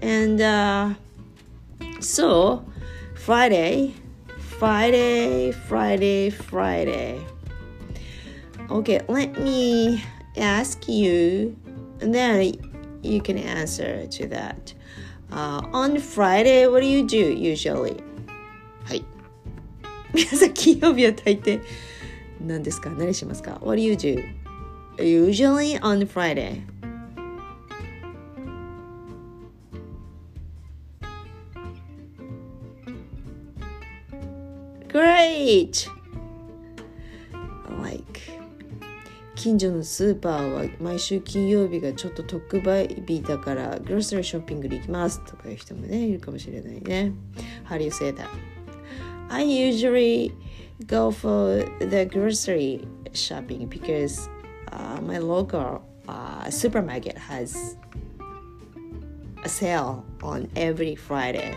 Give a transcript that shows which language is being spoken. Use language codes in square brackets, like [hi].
[en] And so, Friday. Okay, let me ask you, and then you can answer to that. On Friday, what do you do usually? [ja] はい。皆さん、金曜日は大抵何ですか？何しますか？ [en] What do you do? Usually on Friday. Great! Like, [ja] 近所のスーパーは毎週金曜日がちょっと特売日だから、グロッサリーショッピングに行きますとかいう人もね、いるかもしれないね。 [en] How do you say that? I usually go for the grocery shopping because my local supermarket has a sale on every Friday.